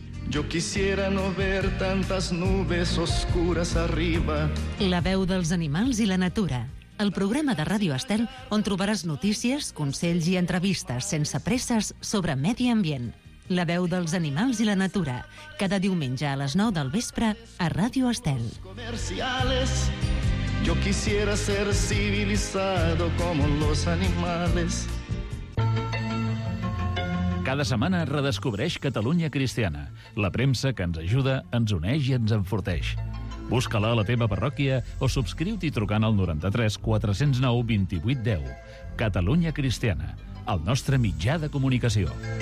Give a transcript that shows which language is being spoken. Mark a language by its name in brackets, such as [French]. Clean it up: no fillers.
[Spanish] Yo quisiera no ver tantas nubes oscuras arriba. [Catalan] La veu dels animals i la natura. El programa de Ràdio Estel on trobaràs notícies, consells i entrevistes sense presses sobre medi ambient. La veu dels animals i la natura. Cada diumenge a les 9 del vespre a Ràdio Estel. Comerciales. [Spanish] Yo quisiera ser civilizado como los animales. [Catalan] Cada setmana redescobreix Catalunya Cristiana, la premsa que ens ajuda, ens uneix i ens enforteix. Busca-la a la teva parròquia o subscriu-t'hi trucant al 93 409 28 10. Catalunya Cristiana, el nostre mitjà de comunicació.